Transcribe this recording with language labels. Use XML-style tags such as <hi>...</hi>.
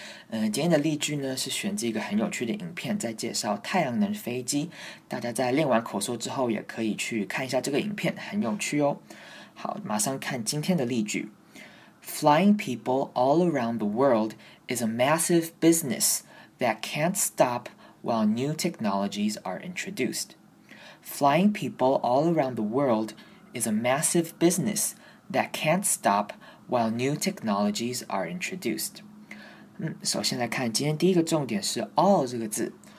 <zh>今天的例句呢，是选自一个很有趣的影片，在介绍太阳能飞机。大家在练完口说之后，也可以去看一下这个影片，很有趣哦。好，马上看今天的例句。</zh> <en>Flying people all around the world is a massive business that can't stop while new technologies are introduced. Flying people all around the world is a massive business that can't stop while new technologies are introduced.</en> <zh>首先来看今天第一个重点是 all 这个字。</zh>